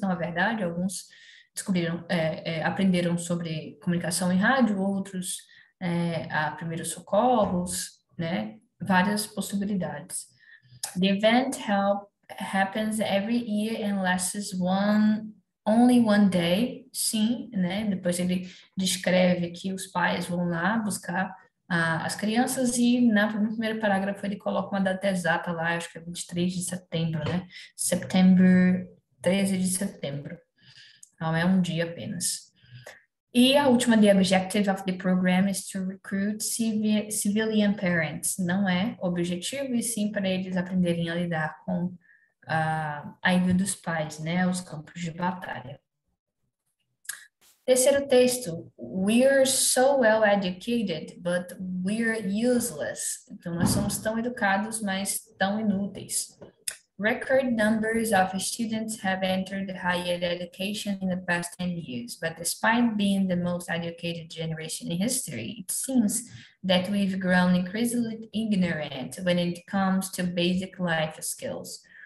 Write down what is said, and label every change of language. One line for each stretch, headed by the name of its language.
Portuguese: Não é verdade, alguns descobriram, aprenderam sobre comunicação em rádio, outros a primeiros socorros, né? Várias possibilidades.
English: The event happens every year and lasts only one day.
Portuguese: Sim, né? Depois ele descreve que os pais vão lá buscar as crianças e no primeiro parágrafo ele coloca uma data exata lá, acho que é 23 de setembro, né? September, 13 de setembro. Então é um dia apenas. E a última,
English: the objective of the program is to recruit civilian parents.
Portuguese: Não é objetivo, e sim para eles aprenderem a lidar com a ajuda dos pais, né? Os campos de batalha. Terceiro texto.
English: We're so well educated, but we're useless.
Portuguese: Então, nós somos tão educados, mas tão inúteis.
English: Record numbers of students have entered higher education in the past 10 years, but despite being the most educated generation in history, it seems that we've grown increasingly ignorant when it comes to basic life skills.